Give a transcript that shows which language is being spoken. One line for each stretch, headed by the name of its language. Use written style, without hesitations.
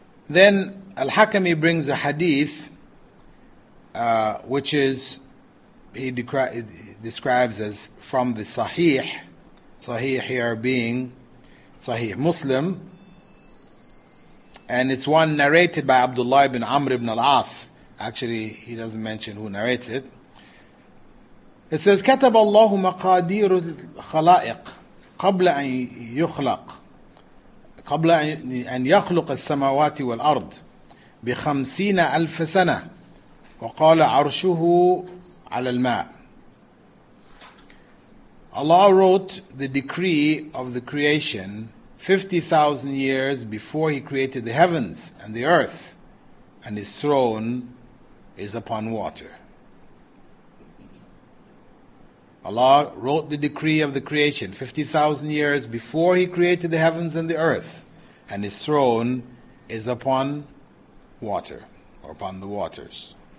English: Then Al-Hakami brings a hadith which is, he describes as from the Sahih. Sahih here being Sahih Muslim. And it's one narrated by Abdullah ibn Amr ibn al-As. Actually, he doesn't mention who narrates it. It says,
Arabic: كتب الله مقادير الخلائق قبل أن يخلق قبل أن يخلق السماوات والأرض بخمسين ألف سنة وقال عرشه على الماء.
English: Allah wrote the decree of the creation 50,000 years before He created the heavens and the earth, and His throne is upon water. Allah wrote the decree of the creation 50,000 years before He created the heavens and the earth, and His throne is upon water, or upon the waters.